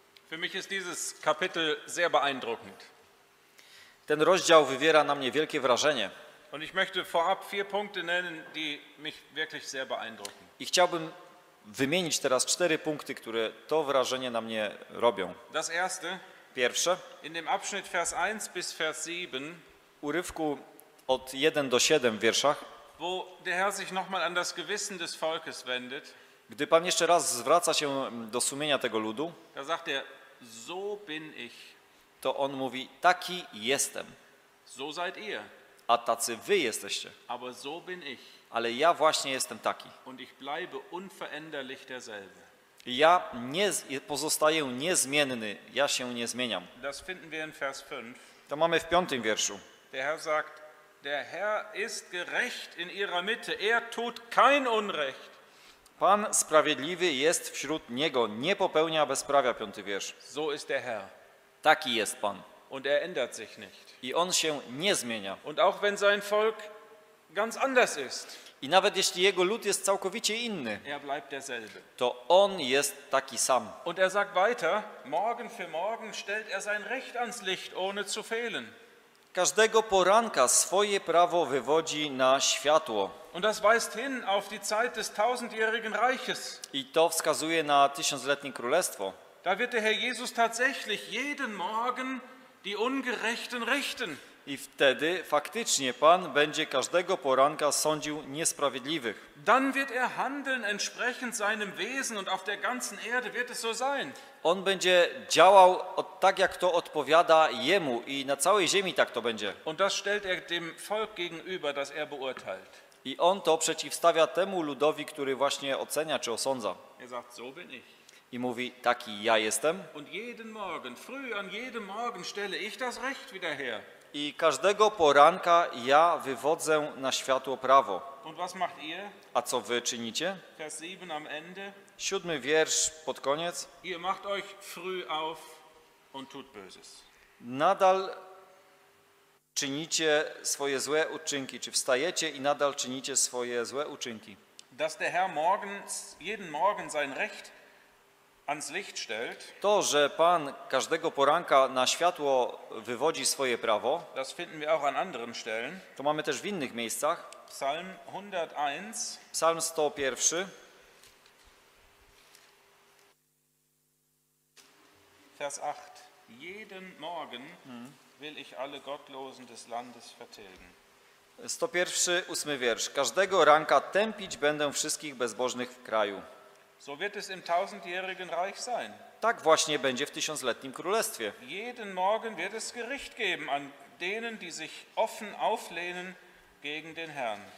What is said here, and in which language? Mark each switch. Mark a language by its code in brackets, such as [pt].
[de] Für mich ist dieses Kapitel sehr beeindruckend. [pl] Ten rozdział wywiera na mnie wielkie wrażenie. [de] Und ich möchte vorab vier Punkte nennen, die mich wirklich sehr beeindrucken. [pl] I chciałbym wymienić teraz cztery punkty, które to wrażenie na mnie robią. [de] Das erste. [pl] Pierwsze. [de] In dem Abschnitt Vers 1 bis Vers 7. [pl] Urywku od 1 do 7 wierszach. [de] Wo der Herr sich nochmal an das Gewissen des Volkes wendet. [pl] Gdy Pan jeszcze raz zwraca się do sumienia tego ludu. [de] Da sagt er, so bin ich. [pl] To on mówi, taki jestem. [de] So seid ihr. [pl] A tacy wy jesteście. [de] Aber so bin ich. [pl] Ale ja właśnie jestem taki. [de] Und ich bleibe unveränderlich derselbe. [pl] Ja nie pozostaję niezmienny, ja się nie zmieniam. [de] Das finden wir in Vers 5. [pl] To mamy w piątym wierszu. [de] Der Herr sagt, der Herr ist gerecht in ihrer Mitte, er tut kein Unrecht. [pl] Pan sprawiedliwy jest wśród niego, nie popełnia bezprawia, piąty wiersz. [de] So ist der Herr. [pl] Taki jest Pan. [de] Und er ändert sich nicht. [pl] I on się nie zmienia. [de] Und auch wenn sein Volk ganz anders ist. [pl] I nawet jeśli jego lud jest całkowicie inny, [de] er bleibt derselbe. [pl] To on jest taki sam. [de] Und er sagt weiter, morgen für morgen stellt er sein Recht ans Licht, ohne zu fehlen. [pl] Każdego poranka swoje prawo wywodzi na światło. [de] Und das weist hin auf die Zeit des tausendjährigen Reiches. [pl] I to wskazuje na tysiącletnie królestwo. [de] Da wird der Herr Jesus tatsächlich jeden Morgen die Ungerechten richten. [pl] I wtedy faktycznie Pan będzie każdego poranka sądził niesprawiedliwych. [de] Dann wird er handeln entsprechend seinem Wesen und auf der ganzen Erde wird es so sein. [pl] On będzie działał tak, jak to odpowiada jemu i na całej ziemi tak to będzie. [de] Und das stellt er dem Volk gegenüber, das er beurteilt. [pl] I on to przeciwstawia temu ludowi, który właśnie ocenia czy osądza. [de] Er sagt, so bin ich. [pl] I mówi, taki ja jestem. [de] Und jeden Morgen, früh an jedem Morgen stelle ich das Recht wieder her. [pl] I każdego poranka ja wywodzę na światło prawo. [de] Und was macht ihr? [pl] A co wy czynicie? [de] Vers 7 am Ende. [pl] Siódmy wiersz pod koniec. [de] Ihr macht euch früh auf und tut Böses. [pl] Nadal czynicie swoje złe uczynki, czy wstajecie i nadal czynicie swoje złe uczynki. [de] Dass der Herr morgens, jeden Morgen sein Recht ans Licht stellt. [pl] To, że Pan każdego poranka na światło wywodzi swoje prawo, [de] das finden wir auch an anderen Stellen. [pl] To mamy też w innych miejscach. [de] Psalm 101. [pl] Psalm 101. [de] Vers 8. Jeden Morgen will ich alle Gottlosen des Landes vertilgen. [pl] 101, 8 wiersz. Każdego ranka tępić będę wszystkich bezbożnych w kraju. [de] So wird es im tausendjährigen Reich sein. [pl] Tak właśnie będzie w tysiącletnim królestwie. [de] Jeden Morgen wird es Gericht geben an denen, die sich offen auflehnen gegen den Herrn.